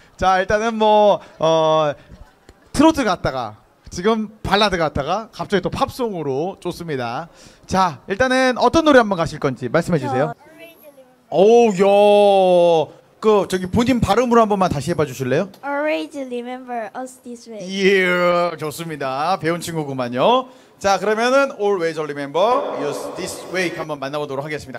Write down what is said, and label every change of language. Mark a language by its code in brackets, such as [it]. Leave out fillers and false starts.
[ko] 자, 일단은 뭐 트로트 갔다가 지금 발라드 갔다가 갑자기 또 팝송으로 좋습니다. 자, 일단은 어떤 노래 한번 가실 건지 말씀해주세요. 오우요. 그 저기 본인 발음으로 한 번만 다시 해봐 주실래요? [en] Always remember us this way. [ko] 예, yeah, 좋습니다. 배운 친구구만요. 자, 그러면은 [en] Always remember us this way [ko] 한번 만나보도록 하겠습니다.